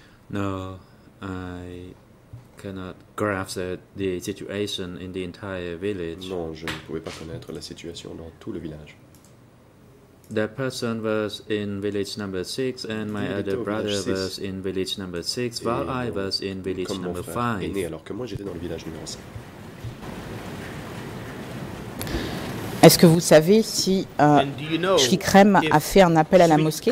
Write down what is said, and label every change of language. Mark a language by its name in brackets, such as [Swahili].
[English] No, I cannot grasp the situation in the entire village. [French] Non, je ne pouvais pas connaître la situation dans tout le village. [English] The person was in village number 6 and my other brother was in village number 6 while I was in village number 5. [French] Et né alors que moi j'étais dans le village numéro 5. Est-ce que vous savez si Shikrem a fait un appel à la mosquée?